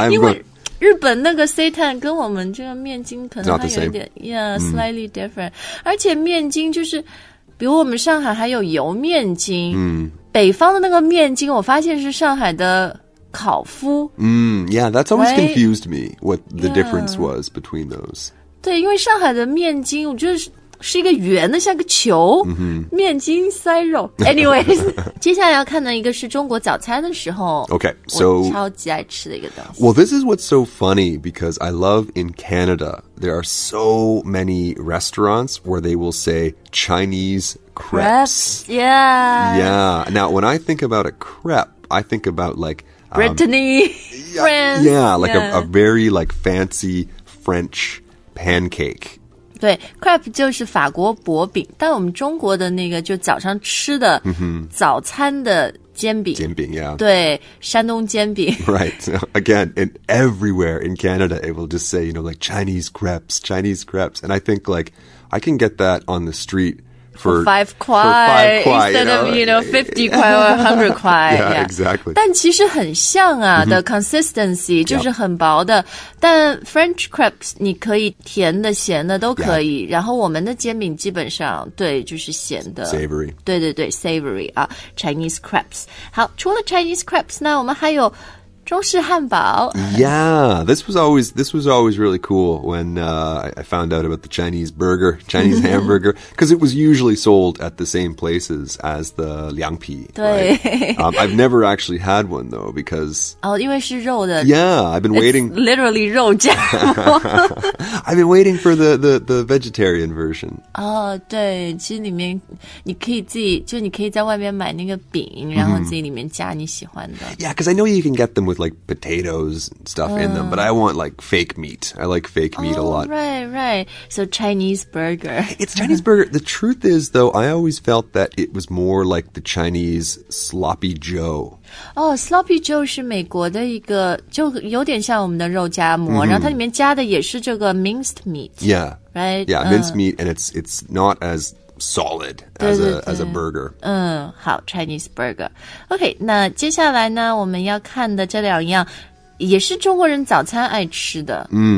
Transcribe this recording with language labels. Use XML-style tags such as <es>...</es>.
<zh>因为日本那个 seitan 跟我们这个面筋可能它有点</zh> <en>yeah, slightly different.、</en> <zh>Mm. 而且面筋就是比如我们上海还有油面筋、 mm. 北方的那个面筋我发现是上海的烤麸。</zh> <en>Yeah, that's always、right? confused me, what the、yeah. difference was between those.</en> <zh>对,因为上海的面筋我觉得是一个圆的像个球、 mm-hmm. 面筋塞肉 Anyways 接下来要看的一个是中国早餐的时候</zh> <en>Okay, so</en> <zh>我超级爱吃的一个东西</zh> <en>Well, this is what's so funny because I love in Canada there are so many restaurants where they will say Chinese crepes. Crepes, yeah. Yeah. Now, when I think about a crepe, I think about like Brittany, France. Yeah, like yeah. A very like fancy French pancake.</en> <zh>对 ,crepe 就是法国薄饼但我们中国的那个就早上吃的早餐的煎饼。煎饼 yeah. 对山东煎饼。</zh> <en>Right. Again, in everywhere in Canada, it will just say, you know, like Chinese crepes, Chinese crepes. And I think like, I can get that on the street for 5 kuai instead of, you know, 50 kuai or 100 kuai. Yeah, exactly.</en> <zh>但其实很像啊、mm-hmm.</zh> <en>the consistency</en> <zh>就是很薄的、yep. 但 French crepes 你可以甜的咸的都可以、yeah. 然后我们的煎饼基本上对就是咸的</zh> <en>Savory.</en> <zh>对对对 Savory 啊 Chinese crepes. 好除了 Chinese crepes 呢我们还有中式汉堡</zh> <en>Yeah, this was always really cool when、I found out about the Chinese burger, Chinese hamburger, because it was usually sold at the same places as the 凉皮</en> <zh>对、</zh> <en>right? I've never actually had one though, because...</en> <zh>Oh, 因为是肉的</zh> <en>Yeah, I've been waiting... It's literally 肉夹馍 I've been waiting for the vegetarian version.</en> <zh>Oh, 对其实里面你可以自己就你可以在外面买那个饼然后自己里面加你喜欢的、 mm-hmm.</zh> <en>Yeah, because I know you can get themwith like potatoes and stuff in them but I want like fake meat I like fake meat、 oh, a lot right so Chinese burger it's Chinese burger the truth is though I always felt that it was more like the Chinese sloppy joe</en> <zh>oh sloppy joe 是美国的一个就有点像我们的肉夹馍、mm-hmm. 然后它里面加的也是这个 minced meat</zh> <en>yeah right yeah minced meat and it's not as solid as a burger. 嗯，好 ，Chinese burger.</en> <zh>Okay, 那接下来呢，我们要看的这两样，也是中国人早餐爱吃的。</zh>